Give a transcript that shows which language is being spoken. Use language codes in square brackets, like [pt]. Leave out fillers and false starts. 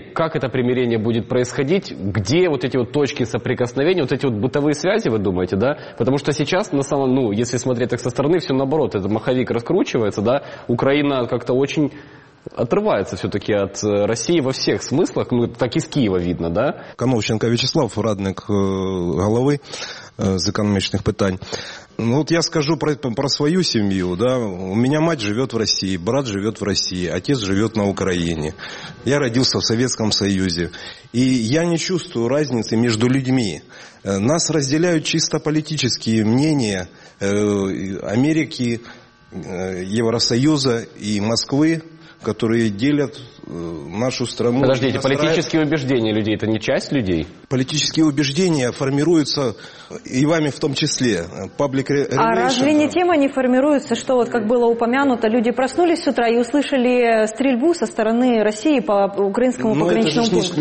[ru] Как это примирение будет происходить? Где вот эти вот точки соприкосновения, вот эти вот бытовые связи, вы думаете, да? Потому что сейчас, на самом, ну, если смотреть так со стороны, все наоборот, этот маховик раскручивается, да? Украина как-то очень... отрывается все-таки от России во всех смыслах, ну, так и с Киева видно, да? [uk] Кановченко Вячеслав, радник головы з економічних питань. Ну, от я скажу про свою сім'ю, да? У мене мать живе в Росії, брат живе в Росії, отец живе на Україні. Я родився в Совєтському Союзі. І я не чувствую різниці між людьми. Нас розділяють чисто політичні мнения Америки, Євросоюзу і Москви, [ru] которые делят нашу страну... Подождите, настраивает... политические убеждения людей – это не часть людей? Политические убеждения формируются и вами в том числе. [en] Public [ru] relations, разве не тем они формируются, что, вот как было упомянуто, люди проснулись с утра и услышали стрельбу со стороны России по украинскому пограничному пункту?